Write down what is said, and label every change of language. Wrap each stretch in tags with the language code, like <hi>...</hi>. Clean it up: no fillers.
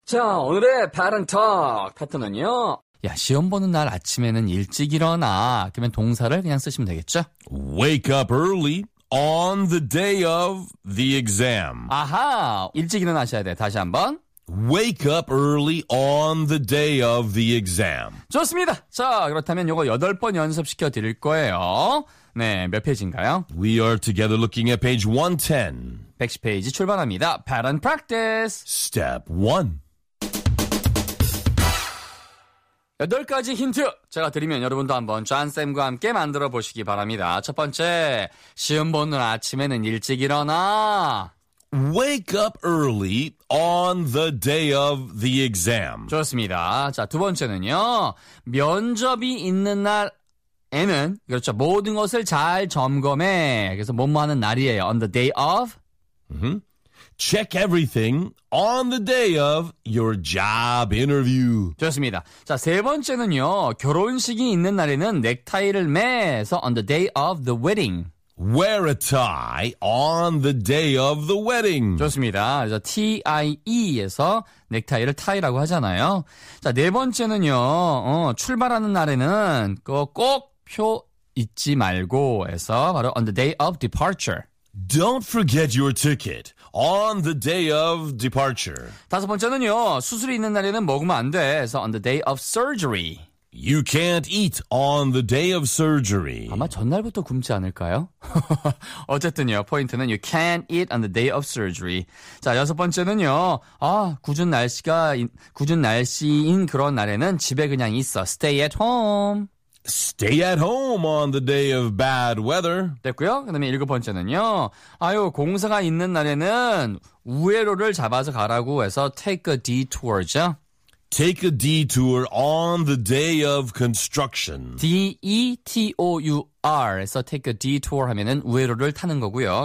<ko>자, 오늘의 바른톡 패턴은요. 야, 시험 보는 날 아침에는 일찍 일어나. 그러면 동사를 그냥 쓰시면 되겠죠?</ko> <en>Wake up early on the day of the exam.</en> <ko>아하, 일찍 일어나셔야 돼. 다시 한번.</ko> <en>Wake up early on the day of the exam.</en> <ko>좋습니다. 자, 그렇다면 이거 여덟 번 연습시켜 드릴 거예요. 네, 몇 페이지인가요?</ko> <en>We are together looking at page 110.</en> <ko>110페이지 출발합니다. Pattern practice.</ko> <en>Step 1.</en> <ko>여덟 가지 힌트 제가 드리면 여러분도 한번 쌤과 함께 만들어 보시기 바랍니다. 첫 번째, 시험 보는 아침에는 일찍 일어나.</ko> <en>Wake up early on the day of the exam.</en> <ko>좋습니다. 자, 두 번째는요. 면접이 있는 날에는, 그렇죠, 모든 것을 잘 점검해. 그래서 뭐뭐 하는 날이에요.</ko> <en>On the day of. Mm-hmm. Check everything on the day of your job interview.</en> <ko>좋습니다. 자, 세 번째는요. 결혼식이 있는 날에는 넥타이를 매.</ko> <en>So on the day of the wedding. Wear a tie on the day of the wedding.</en> <ko>좋습니다. 그래서 T-I-E에서 넥타이를 tie라고 하잖아요. 자, 네 번째는요. 출발하는 날에는 꼭 표 잊지 말고 해서 바로 on the day of departure.</ko> <en>Don't forget your ticket on the day of departure.</en> <ko>다섯 번째는요. 수술이 있는 날에는 먹으면 안 돼. 그래서 on the day of surgery.</ko> <en>You can't eat on the day of surgery.</en> <ko>아마 전날부터 굶지 않을까요? 어쨌든요. 포인트는 you can't eat on the day of surgery. 자, 여섯 번째는요. 아, 궂은 날씨인 그런 날에는 집에 그냥 있어.</ko> <en>Stay at home. Stay at home on the day of bad weather.</en> <ko>됐고요. 그 다음에 일곱 번째는요. 아유, 공사가 있는 날에는 우회로를 잡아서 가라고 해서 take a detour죠.</ko> <en>Take a detour on the day of construction.</en> <ko>D-E-T-O-U-R에서 take a detour 하면은 우회로를 타는 거고요.</ko>